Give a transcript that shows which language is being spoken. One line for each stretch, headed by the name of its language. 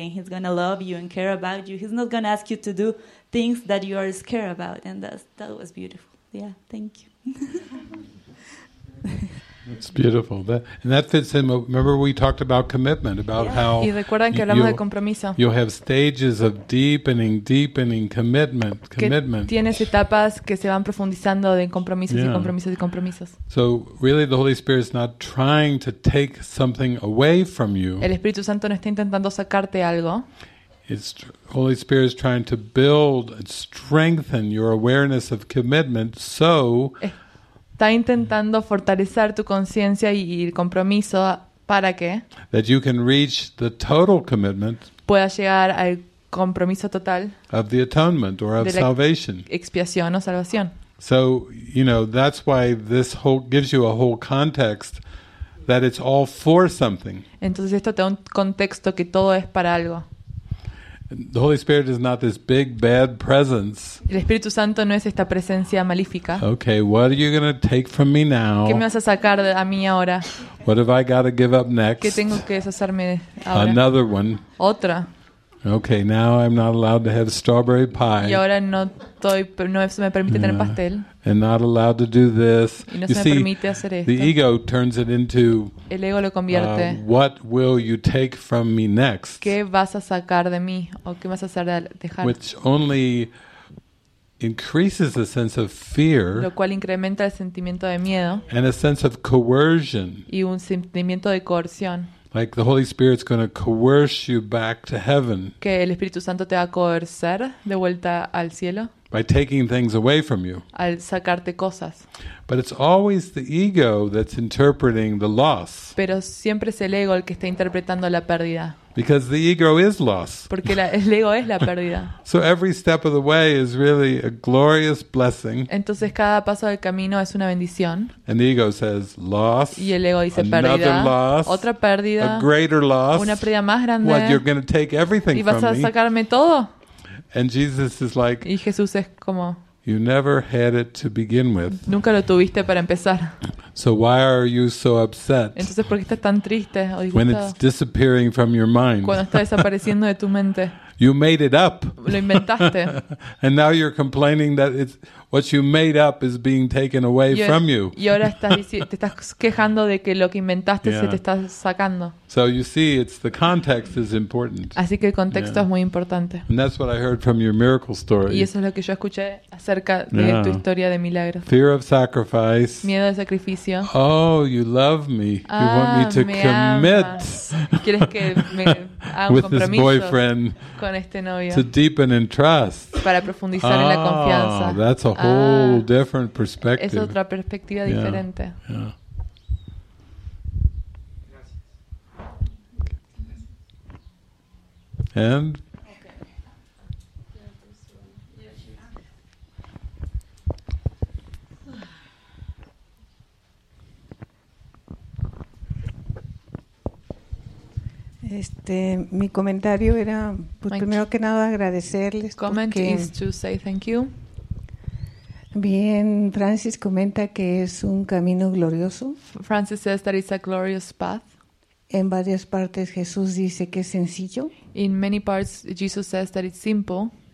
English: And he's going to love you and care about you. He's not going to ask you to do things that you are scared about. And that was beautiful. Yeah, thank you. It's beautiful. That fits in. Remember we talked about commitment, about how you'll have stages of deepening commitment.
Spanish: Tienes etapas que se van profundizando de compromisos y compromisos y compromisos.
English: So really the Holy Spirit is not trying to take something away from you.
Spanish: El Espíritu Santo no está intentando sacarte algo.
English: It's Holy Spirit is trying to build and strengthen your awareness of commitment so...
Spanish: Está intentando fortalecer tu conciencia y el compromiso para que
English: that you can reach the total commitment
Spanish: pueda llegar al compromiso total
English: of the atonement or of salvation.
Spanish: Expiación o salvación.
English: So, you know, that's why this whole gives you a whole context that it's all for something.
Spanish: Entonces esto te da un contexto que todo es para algo.
English: The Holy Spirit is not this big bad presence.
Spanish: El Espíritu Santo no es esta presencia malífica.
English: Okay, what are you going to take from me now?
Spanish: ¿Qué me vas a sacar a mí ahora?
English: What have I got to give up next?
Spanish: ¿Qué tengo que deshacerme ahora?
English: Another one.
Spanish: Otra.
English: Okay, now I'm not allowed to have strawberry pie.
Spanish: Y ahora no se me permite tener pastel.
English: And not allowed to do this.
Spanish: Y no
English: you
Spanish: se me
English: see,
Spanish: permite hacer esto.
English: The ego turns it into
Spanish: el ego lo convierte.
English: What will you take from me next?
Spanish: ¿Qué vas a sacar de mí o qué vas a hacer de dejar?
English: Which only increases the sense of fear.
Spanish: Lo cual incrementa el sentimiento de miedo.
English: And a sense of coercion.
Spanish: Y un sentimiento de coerción.
English: Like the Holy Spirit's going to coerce you back to heaven.
Spanish: Que el Espíritu Santo te va a coercer de vuelta al cielo.
English: By taking things away from you.
Spanish: Al sacarte cosas.
English: But it's always the ego that's interpreting the loss.
Spanish: Pero siempre es el ego el que está interpretando la pérdida.
English: Because the ego is loss.
Spanish: Porque el ego es la pérdida.
English: So every step of the way is really a glorious blessing.
Spanish: Entonces cada paso del camino es una bendición.
English: And the ego says loss.
Spanish: Y el ego dice
English: another
Spanish: pérdida.
English: Another loss.
Spanish: Otra pérdida.
English: A greater loss.
Spanish: Una pérdida más grande.
English: What, you're going to take everything me?
Spanish: ¿Y vas a sacarme todo?
English: And Jesus is like,
Spanish: y Jesús es como,
English: you never had it to begin with.
Spanish: Nunca lo tuviste para empezar.
English: So why are you so upset?
Spanish: Entonces, ¿por qué estás tan triste o disgustado?
English: When it's disappearing from your mind.
Spanish: Cuando está desapareciendo de tu mente.
English: You made it up.
Spanish: Lo inventaste.
English: And now you're complaining that it's what you made up is being taken away from you.
Spanish: Y ahora te estás quejando de que lo que inventaste se te está sacando.
English: So you see, it's the context is important.
Spanish: Así que el contexto es muy importante.
English: And that's what I heard from your miracle story.
Spanish: Y eso es lo que yo escuché acerca de tu historia de milagros.
English: Fear of sacrifice.
Spanish: Miedo de sacrificio.
English: Oh, you love me. You want me to commit.
Spanish: ¿Quieres que me haga
English: with this boyfriend?
Spanish: Con este novio.
English: To deepen in trust.
Spanish: Para profundizar en la confianza.
English: Oh, that's a whole different perspective.
Spanish: Es otra perspectiva diferente.
English: Yeah. And
Spanish: mi comentario era pues, primero que nada agradecerles.
English: Comment is to say thank you.
Spanish: Bien, Francis comenta que es un camino glorioso.
English: Francis says that it's a glorious path.
Spanish: En varias partes Jesús dice que es sencillo.
English: In many parts Jesus says that it's simple.